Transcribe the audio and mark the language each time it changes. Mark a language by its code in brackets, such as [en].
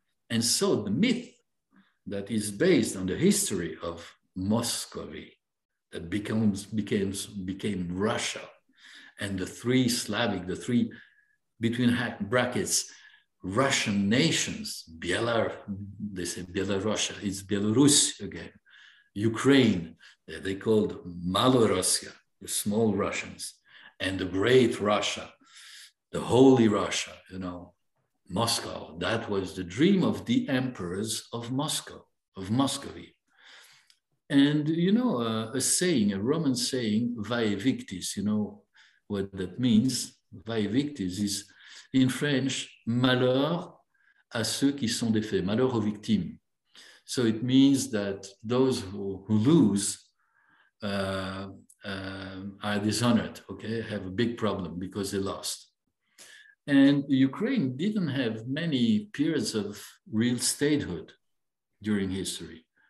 [en] And so the myth that is based on the history of Muscovy that became Russia and the three Slavic, the three between brackets Russian nations, Belarusia, it's Belarus again, Ukraine, they called Malorussia, the small Russians, and the great Russia, the holy Russia, you know, Moscow, that was the dream of the emperors of Moscow, of Muscovy. And, you know, a Roman saying, [la] vae victis, [en] you know what that means? [la] Vae victis [en] is, in French, [fr] malheur à ceux qui sont défaits, malheur aux victimes. [en] So it means that those who lose are dishonored, okay, have a big problem because they lost. And Ukraine didn't have many periods of real statehood during history.